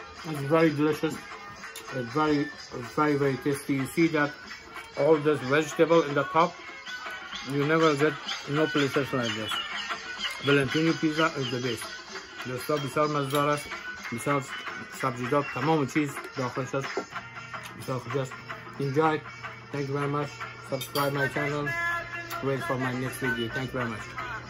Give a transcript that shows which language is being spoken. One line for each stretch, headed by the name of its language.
English: It's very delicious. It's very, very, very tasty. You see that all this vegetable in the top, you never get no places like this. Valentino pizza is the best. The stuff is all mazdara.
Persian: بسیار سبزیجات تمام چیز داخلش است. بسیار خوش است. Enjoy.
English: Thank you very much. Subscribe my channel. Wait for my next video. Thank you very much.